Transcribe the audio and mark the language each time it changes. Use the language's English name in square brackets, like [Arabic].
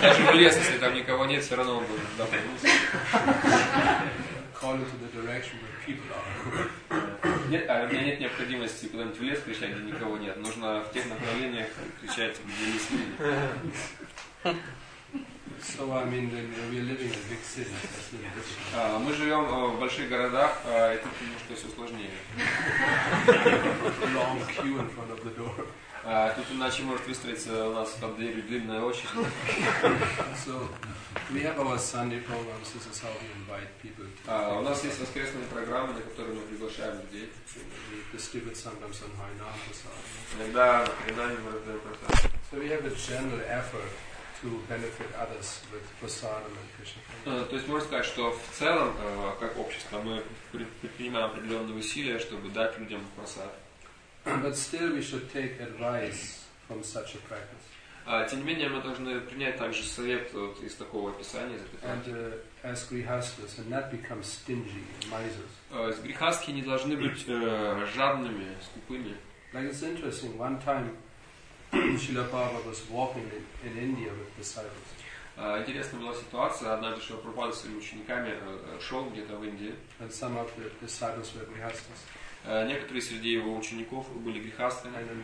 [Russian] Даже в лес, если там никого нет, все равно он должен повернуться. [English] Call into the direction where people are. [Russian] Нет, а у меня нет необходимости куда-нибудь в лес кричать, где никого нет. Нужно в тех направлениях кричать, где есть люди. [English] So, I mean, we're living in big cities. [Russian] Мы живем в больших городах, это немножко все сложнее. [English] Long queue in front of the door. [Russian] Тут иначе может выстроиться у нас под дверью длинная очередь. [English] So, we have our Sunday programs. This is how we invite people. [Russian] У нас есть воскресные программы, на которые мы приглашаем людей. [English] We distribute sometimes on high now. [Russian] Иногда, иногда мы [English] это So we have a general effort to benefit others with prasadam and Krishna. [Russian] То есть можно сказать, что в целом, как общество, мы предпринимаем определенные усилия, чтобы дать людям прасад. [English] But still, we should take advice from such a practice. [Russian] Тем не менее, мы должны принять также совет вот из такого описания. [English] And as grihasthas, and not become stingy misers. [Russian] Из грихастхи не должны быть жадными, скупыми. [English] Like it's interesting. One time, Srila Prabhupada was walking in India with disciples. [Russian] Интересная была ситуация. Однажды Шрила Прабхупада с своими учениками шел где-то в Индии. [English] And some of the disciples were grihasthas. [Russian] Некоторые среди его учеников были грехастами.